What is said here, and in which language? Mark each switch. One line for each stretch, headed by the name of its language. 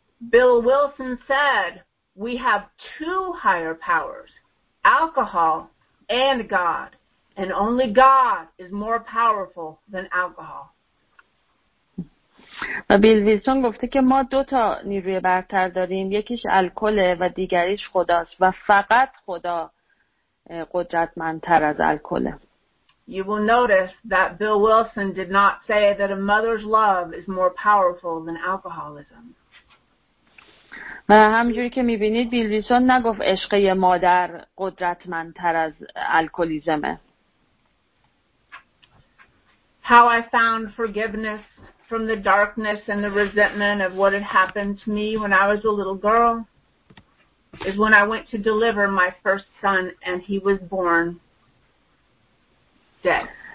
English: Bill Wilson said we have 2 higher powers, alcohol and God, and only God is more powerful than alcohol.
Persian: و بیل ویلسون گفته که ما 2 تا نیروی برتر داریم، یکیش الکل و دیگریش خداست و فقط خدا قدرتمندتر از الکله.
English: You will notice that Bill Wilson did not say that a mother's love is more powerful than alcoholism.
Persian: و همجوری که میبینید بیل ویلسون نگفت عشق مادر قدرتمندتر از الکلیزمه.
English: How I found forgiveness from the darkness and the resentment of what had happened to me when I was a little girl is when I went to deliver my first son and he was born dead.